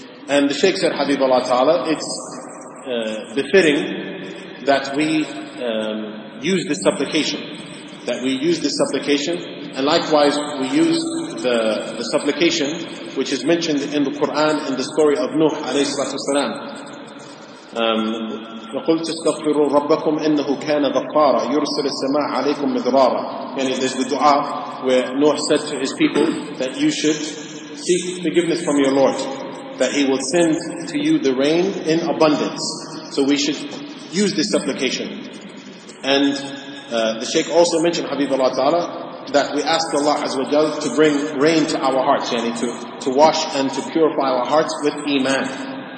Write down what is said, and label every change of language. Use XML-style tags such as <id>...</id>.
<en>And the Shaykh said, Habib Allah Ta'ala, it's befitting that we use this supplication. that we use this supplication, and likewise we use the supplication which is mentioned in the Quran in the story of Nuh alayhi salatu wasalam.</en> <ar>وقلت استغفروا ربكم إنه كان غفارا يرسل السماء عليكم مدرارا.</ar> <en>And there's the dua where Noah said to his people that you should seek forgiveness from your Lord, that he will send to you the rain in abundance. So we should use this supplication. And the Shaykh also mentioned, Habibullah Ta'ala, that we ask Allah Azza wa Jalla to bring rain to our hearts, yani to wash and to purify our hearts with Iman.</en>